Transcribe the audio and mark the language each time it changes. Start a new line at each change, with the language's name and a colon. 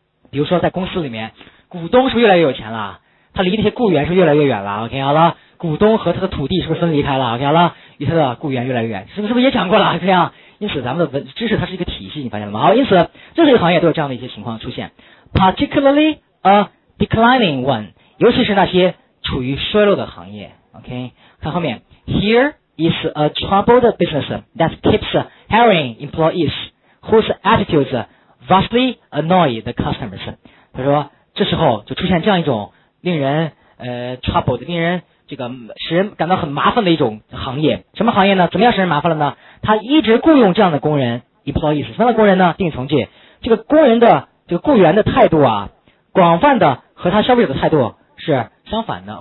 Chinese: 比如说在公司里面，股东是不是越来越有钱了，他离那些雇员是不是越来越远了，
English: OK
Chinese: 好了，股东和他的土地是不是分离开了， OK 好了，与他的雇员越来越远，是不是也讲过了，这样。因此咱们的知识它是一个体系，你发现了吗？好，因此这些行业都有这样的一些情况出现，
English: particularly a declining one，
Chinese: 尤其是那些处于衰落的行业，
English: OK。
Chinese: 看后面，
English: Here is a troubled business that keeps hiring employeesWhose attitudes vastly annoy the customers.
Chinese: 他说，这时候就出现这样一种令人troubled， 令人这个使人感到很麻烦的一种行业。什么行业呢？怎么样使人麻烦了呢？他一直雇佣这样的工人 ，employees。什么样的工人呢？定语从句。这个工人的这个雇员的态度啊，广泛的和他消费者的态度是相反的。